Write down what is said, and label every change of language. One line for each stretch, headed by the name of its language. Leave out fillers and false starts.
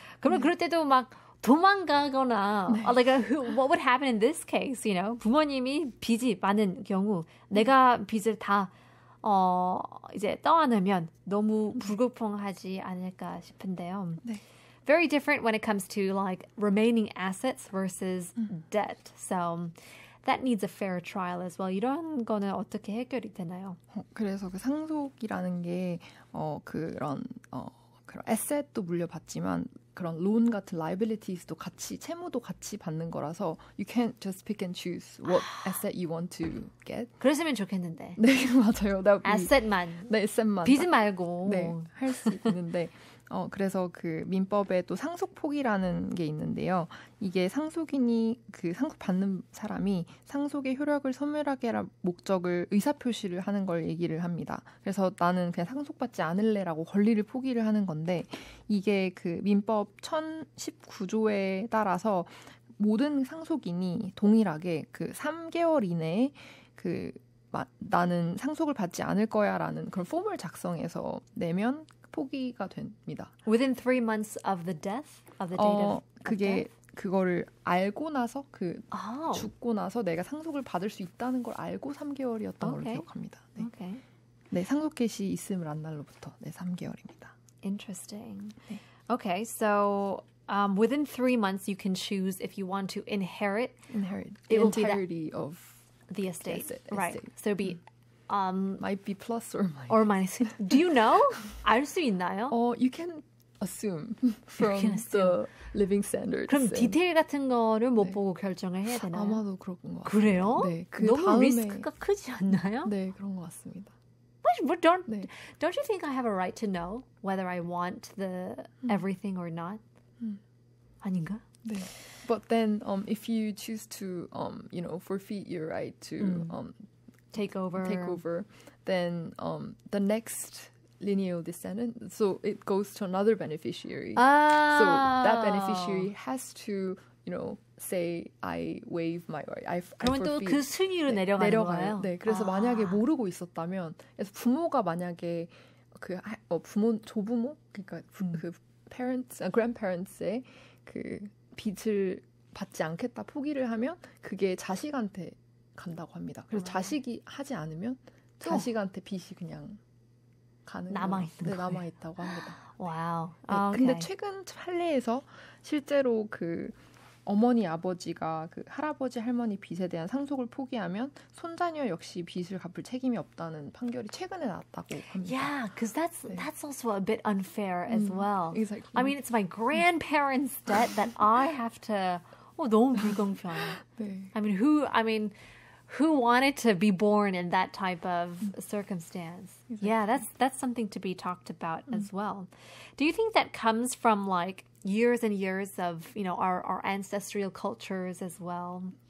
Korean: 그러면 그럴 때도 막 도망가거나
English: like what would happen in this case, you know?
Korean: 부모님이 빚이 많은 경우 내가 빚을 다 이제 떠안으면 너무 불공평하지 않을까 싶은데요. 네.
English: Very different when it comes to like remaining assets versus debt. So that needs a fair trial as well.
Korean: 이런 거는 어떻게 해결이 되나요? 그래서 그 상속이라는 게 그런 에셋도 물려받지만 그런 론 같은 liabilities도 같이 채무도 같이 받는 거라서
English: you can't just pick and choose what asset you want to get.
Korean: 그랬으면 좋겠는데. 네, 맞아요. 나 asset만. 네, asset만. 빚 말고. 네, 할 수 있는데. 그래서 그 민법에 또 상속 포기라는 게 있는데요. 이게 상속인이 그 상속 받는 사람이 상속의 효력을 소멸하게 할 목적을 의사표시를 하는 걸 얘기를 합니다. 그래서 나는 그냥 상속 받지 않을래라고 권리를 포기를 하는 건데 이게 그 민법 1019조에 따라서 모든 상속인이 동일하게 그 3개월 이내에 그 나는 상속을 받지 않을 거야라는 그런 폼을 작성해서 내면 포기가 됩니다.
English: Within three months of the death, of the date of death?
Korean: 그게 그거를 알고 나서 그 죽고 나서 내가 상속을 받을 수 있다는 걸 알고 3개월이었던 걸로 기억합니다. 네. 네, 상속 개시 있음을 안 날로부터 네 3개월입니다.
English: Interesting. 네. Okay, so within three months you can choose if you want to inherit. Inherit the entirety of the estate. Right. So be. Might be plus or minus. Or minus. Do you know?
Korean: 알 수 있나요?
English: You can assume from can assume. The living standards.
Korean: 그럼 디테일 같은 거를 못 네. 보고 결정을 해야 되나요? 아마도 그런 것 같아요. 그래요? 네. 그 너무 다음에... 리스크가 크지 않나요? 네, 그런 것 같습니다.
English: But don't, 네. don't you think I have a right to know whether I want the everything or not?
Korean: 아닌가?
English: But then if you choose to, you know, forfeit your right to take over, then the next lineal descendant, so it goes to another beneficiary. Oh. So that beneficiary has to, you know, say I waive my right. I forfeit.
Korean: 그러면 또 그 순위로 내려가요. 네, 그래서 아. 만약에 모르고 있었다면, 그래서 부모가 만약에 그 부모 조부모 그러니까 그 parents, grandparents의 그 빚을 받지 않겠다 포기를 하면 그게 자식한테 간다고 합니다. 그래서 자식이 하지 않으면 자식한테 빚이 그냥 가는 남아 있는 거예요. 남아 있다고 합니다. 와우. 네, okay. 근데 최근 판례에서 실제로 그 어머니 아버지가 그 할아버지 할머니 빚에 대한 상속을 포기하면 손자녀 역시 빚을 갚을 책임이 없다는 판결이 최근에 나왔다고 합니다.
English: Yeah, because that's 네. that's also a bit unfair as well. Exactly. I mean, it's my grandparents' debt that I have to.
Korean: Oh, 너무 불공평. 네.
English: I mean, who wanted to be born in that type of circumstance? Exactly. Yeah, that's something to be talked about as well. Do you think that comes from like years and years of, you know, our ancestral cultures as well?